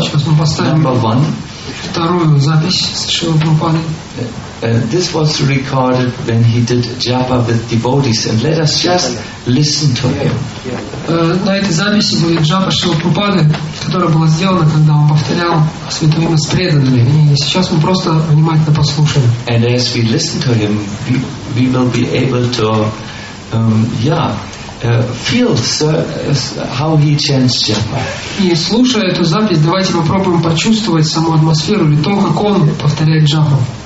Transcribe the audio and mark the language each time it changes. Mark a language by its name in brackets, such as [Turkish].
[Russian] сейчас мы поставим вторую запись с Шрилы Прабхупады. [English] This was recorded when he did japa with devotees, and let us just listen to him. [Russian] На этой записи будет джапа Шрилы Прабхупады, которая была сделана, когда он повторял святое имя с преданными. И сейчас мы просто внимательно послушаем. [English] And as we listen to him, we will be able to, feel how he chants japa. [Russian] И слушая эту запись, давайте попробуем почувствовать саму атмосферу или то, как он повторяет джапу.